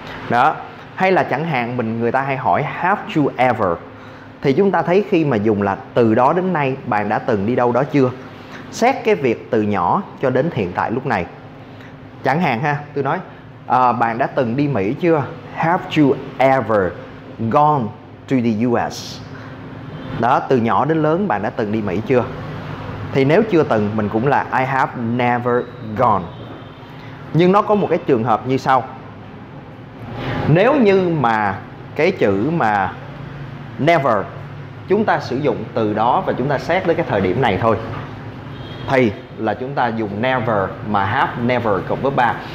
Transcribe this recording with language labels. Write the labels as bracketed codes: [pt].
[vi] Đó. Hay là chẳng hạn mình người ta hay hỏi [en] have you ever. [vi] thì chúng ta thấy khi mà dùng là từ đó đến nay bạn đã từng đi đâu đó chưa? Xét cái việc từ nhỏ cho đến hiện tại lúc này. Chẳng hạn ha, tôi nói bạn đã từng đi Mỹ chưa? [en] Have you ever gone to the US? [vi] Đó, từ nhỏ đến lớn bạn đã từng đi Mỹ chưa? Thì nếu chưa từng mình cũng là [en] I have never gone. [vi] Nhưng nó có một cái trường hợp như sau. Nếu như mà cái chữ mà never chúng ta sử dụng từ đó và chúng ta xét đến cái thời điểm này thôi, thì là chúng ta dùng never mà [en] have never [vi] cộng với 3.